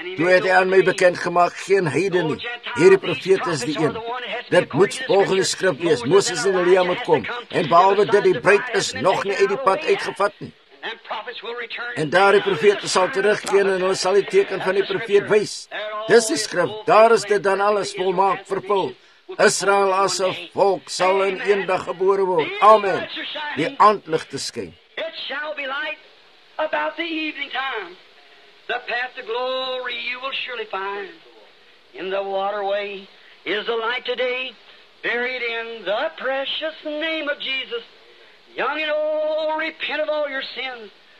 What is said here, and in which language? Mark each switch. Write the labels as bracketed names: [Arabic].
[Afrikaans] Toe het hy aan my bekend gemaakt, geen heide nie. Hierdie profeet is die een. Dit moet volgende skrif wees, Moses en Elia moet kom, en behalwe dit die breid is, nog nie uit die pad uitgevat nie. En daar die profete sal terugkeer, en hulle sal die teken van die profeet wees. Dis die skrif, daar is dit dan alles volmaak, vervul. Israel as een volk sal in een dag gebore word. Amen. Die aandlig te skyn. [English] It shall be light about the evening time. The path to glory you will surely find. In the waterway is the light today, buried in the precious name of Jesus. Young and old, repent of all your sins.